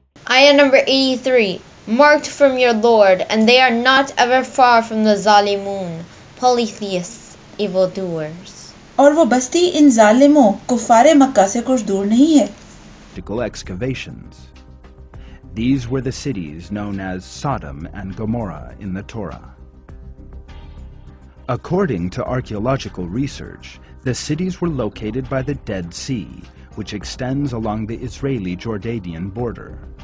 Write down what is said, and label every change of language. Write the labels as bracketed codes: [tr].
[en] Ayah number 83, marked from your Lord, and they are not ever far from the zalimun, polytheists, evildoers. [ur] اور وہ بستی ان ظالموں کفار مکہ سے کچھ دور نہیں ہے. [en] Practical excavations. These were the cities known as Sodom and Gomorrah in the Torah. According to archaeological research, the cities were located by the Dead Sea, which extends along the Israeli-Jordanian border.